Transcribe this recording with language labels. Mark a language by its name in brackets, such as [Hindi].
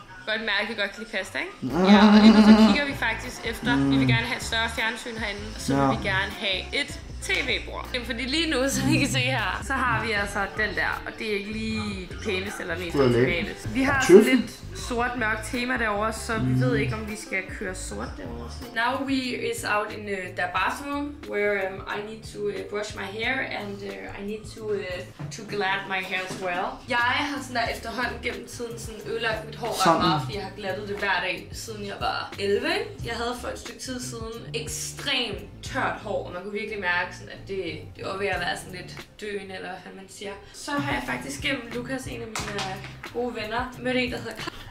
[Danish] Godt mærke, jeg godt kan lide pasta, ikke? Ja, og nu så kigger vi faktisk efter. Vi vil gerne have et større fjernsyn herinde, og så vil vi gerne have et TV-bror. Fordi lige nu, som I kan se her, så har vi altså den der, og det er ikke lige det pæneste eller mest optimale. Vi har altså lidt sort mørkt tema derovre, så vi ved ikke, om vi skal køre sort derovre. [English] Now we is out in the bathroom, where I need to brush my hair, and I need to glat my hair as well. [Danish] Jeg har sådan der efterhånden gennem tiden sådan ødelagt mit hår ret meget, fordi jeg har glattet det hver dag, siden jeg var 11. Jeg havde for et stykke tid siden ekstremt tørt hår, og man kunne virkelig mærke, sådan, at det var ved at være sådan lidt døende, eller hvad man siger. Så har jeg faktisk gennem Lukas, en af mine gode venner, mødt en, der hedder Klaus.